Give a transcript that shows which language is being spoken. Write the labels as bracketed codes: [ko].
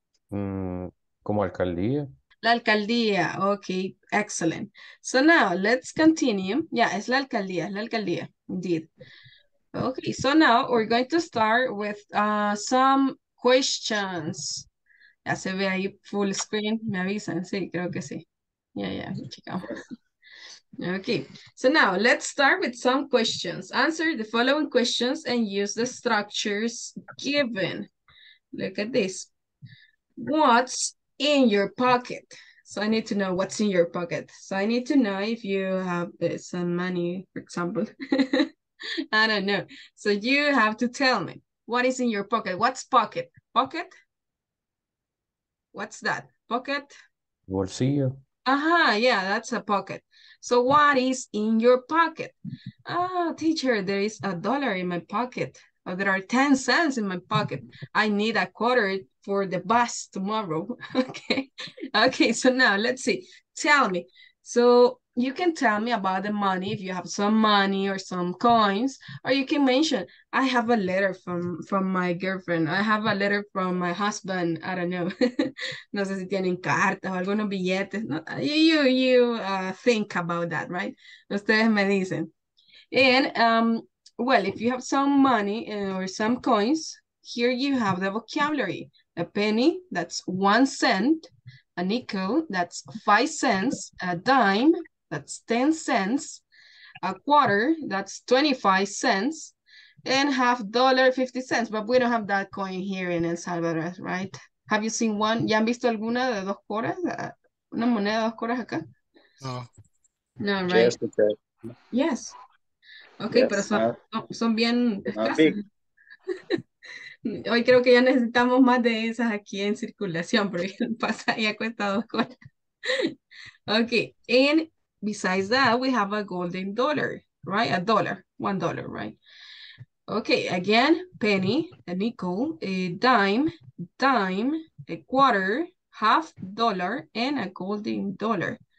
[es] Como alcaldía. [en] La alcaldía, okay, excellent. So now, let's continue. [es] Yeah, es la alcaldía, indeed. [en] Okay, so now we're going to start with some questions. [es] Ya se ve ahí [en] full screen, [es] me avisan, sí, creo que sí. [en] Yeah, yeah, chicos. Okay, so now let's start with some questions. Answer the following questions and use the structures given. Look at this. What's in your pocket? So I need to know what's in your pocket. So I need to know if you have some money, for example. I don't know. So you have to tell me what is in your pocket. What's pocket? Pocket? What's that? Pocket? [es] Bolsillo. [en] Yeah, that's a pocket. So what is in your pocket? Oh, teacher, there is a dollar in my pocket. Oh, there are 10 cents in my pocket. I need a quarter for the bus tomorrow. Okay, so now let's see. Tell me. So you can tell me about the money if you have some money or some coins, or you can mention, I have a letter from my girlfriend. I have a letter from my husband. I don't know. [es] No sé si tienen cartas o algunos billetes. [en] You think about that, right? [es] Ustedes me dicen. [en] And, well, if you have some money or some coins, here you have the vocabulary. A penny, that's 1 cent. A nickel, that's 5 cents. A dime, that's 10 cents. A quarter, that's 25 cents. And half dollar, 50 cents. But we don't have that coin here in El Salvador, right? Have you seen one? [es] ¿Ya han visto alguna de dos coras? ¿Una moneda de dos coras acá? No. [en] No, right? Yes. Okay, yes, [es] pero son bien escasas. Hoy creo que ya necesitamos más de esas aquí en circulación, porque pasa y cuesta dos coras. [en] Okay, and besides that, we have a golden dollar, right? A dollar, $1, right? Okay, again, penny, a nickel, a dime, a quarter, half dollar, and a golden dollar.